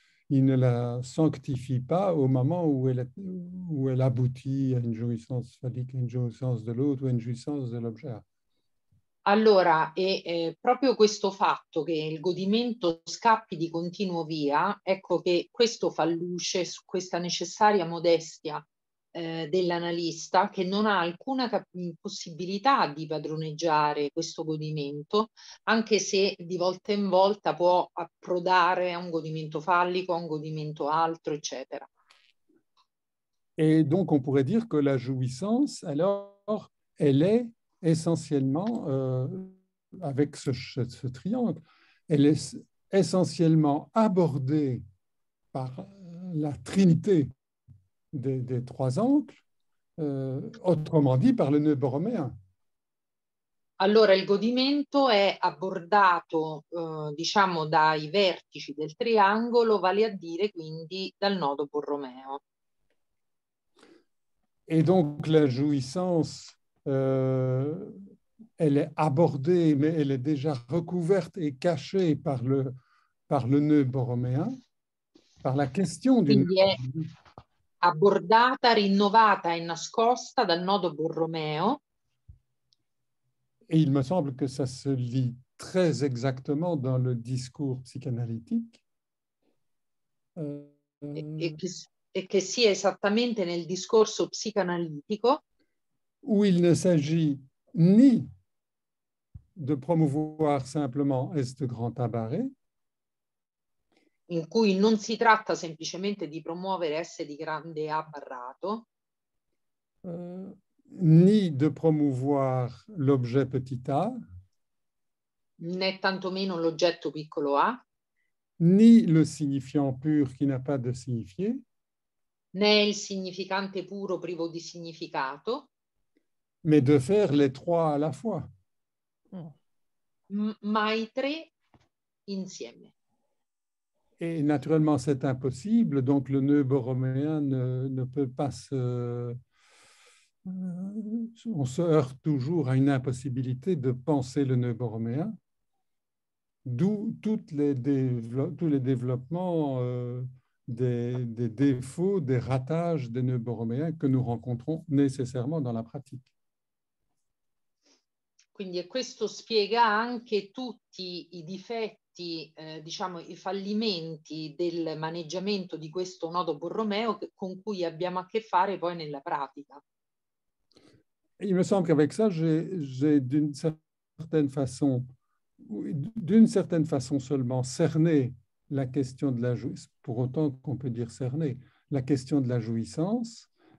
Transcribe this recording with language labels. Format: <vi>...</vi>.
<fr>il ne la sanctifie pas au moment où elle aboutit à une jouissance phallique, à une jouissance de l'autre ou à une jouissance de l'objet.</fr> <it>Allora, è proprio questo fatto che il godimento scappi di continuo via, ecco che questo fa luce su questa necessaria modestia dell'analista che non ha alcuna possibilità di padroneggiare questo godimento, anche se di volta in volta può approdare a un godimento fallico, a un godimento altro, eccetera.</it> <fr>E donc on pourrait dire que la jouissance, alors, elle est essentiellement, avec ce triangle, elle est essentiellement abordée par la trinité des trois angles, autrement dit par le nœud borroméen.</fr> <it>Allora, il godimento è abordato, diciamo, dai vertici del triangolo, vale à dire quindi dal nodo borromeo.</it> <fr>Et donc la jouissance, elle est abordée, mais elle est déjà recouverte et cachée par le nœud borroméen, par la question du</fr> <it>nœud borroméen. Abordata, rinnovata e nascosta dal nodo borromeo.</it> <fr>Et il me semble que ça se lit très exactement dans le discours psychanalytique.</fr> <it>Et que sia esattamente nel discorso psicanalitico.</it> <fr>Où il ne s'agit ni de promouvoir simplement este grand tabaret,</fr> <it>in cui non si tratta semplicemente di promuovere essere di grande abbarrato,</it> <fr>ni de promouvoir l'objet petit a,</fr> <it>né tantomeno l'oggetto piccolo a,</it> <fr>ni le significant pur qui n'a pas de signifié,</fr> <it>né il significante puro privo di significato,</it> <fr>mais de faire les trois à la fois.</fr> <it>Ma i tre insieme.</it> <fr>Et naturellement, c'est impossible, donc le nœud borroméen ne peut pas se... On se heurte toujours à une impossibilité de penser le nœud borroméen, d'où tous les développements des défauts, des ratages des nœuds borroméens que nous rencontrons nécessairement dans la pratique.</fr> <it>Quindi questo spiega anche tutti i difetti, diciamo i fallimenti del maneggiamento di questo nodo borromeo con cui abbiamo a che fare poi nella pratica.</it> <fr>Il me semble qu'avec ça, j'ai d'une certaine façon seulement cerné la question de la jouissance, pour autant qu'on peut dire cerné, la question de la jouissance.</fr>